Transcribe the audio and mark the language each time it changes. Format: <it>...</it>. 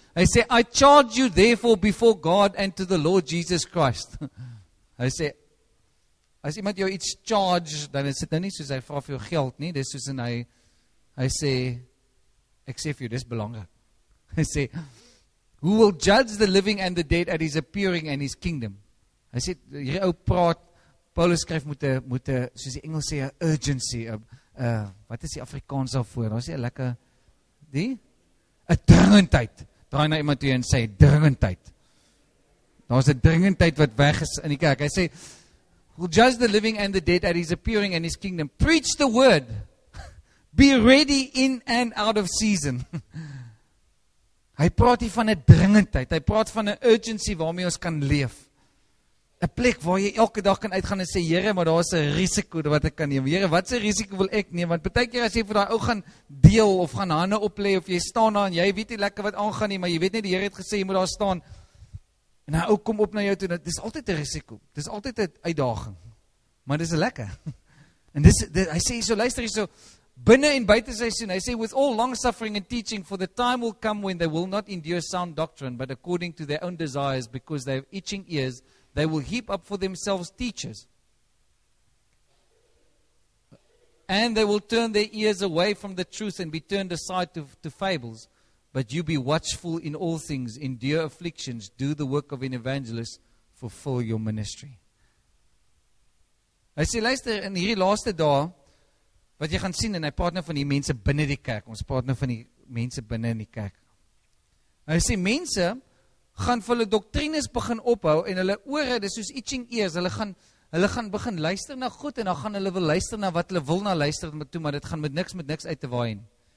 <af>Hy sê,</af> <en>I charge you therefore before God and to the Lord Jesus Christ.</en> <af>Hy sê, as iemand jou iets charge, dan is dit nou nie soos hy vra vir jou geld nie, dis soos en hy sê, ek sê vir jou, dis belangrik. Hy sê,</af> <en>who will judge the living and the dead at his appearing and his kingdom?</en> <af>Hy sê, hierdie ou praat, Paulus skryf moet soos die Engels sê,</af> <en>a urgency,</en> <af>wat is die Afrikaans daarvoor? Daar is 'n lekker, die? A dringendheid. Draai na iemand toe en sê, dringendheid. Daar is 'n dringendheid wat weg is in die kerk. Hy sê,</af> <en>we'll judge the living and the dead at his appearing and his kingdom. Preach the word. Be ready in and out of season.</en> <af>Hy praat hier van 'n dringendheid. Hy praat van 'n urgency waarmee ons kan leef. 'n plek waar jy elke dag kan uitgaan en sê, Here, maar daar is 'n risiko wat ek kan neem. Here, wat se risiko wil ek neem? Want baie keer as jy vir daai ou gaan deel of gaan hande oplê of jy staan daar en jy weet nie lekker wat aangaan nie, maar jy weet net die Here het gesê jy moet daar staan. En daai ou kom op na jou toe, dis altyd 'n risiko. Dis altyd 'n uitdaging. Maar dis lekker. En dis hy sê</af> <en>hierso, luister hierso, binne en buite seisoen, hy sê with all long suffering and teaching for the time will come when they will not endure sound doctrine but according to their own desires because they have itching ears. They will heap up for themselves teachers. And they will turn their ears away from the truth and be turned aside to fables. But you be watchful in all things, endure afflictions, do the work of an evangelist, fulfill your ministry.</en> <af>Hy sê, luister, in hierdie laaste dae, wat jy gaan sien, en hy praat nou van die mense binne die kerk, ons praat nou van die mense binne in die kerk. Hy sê, mense gaan vir hulle doktrines begin ophou en hulle ore, dis soos</af> <en>itching ears,</en> <af>hulle gaan begin luister na God en dan gaan hulle wil luister na wat hulle wil na luister toe, maar dit gaan met niks uit te waai nie.</af>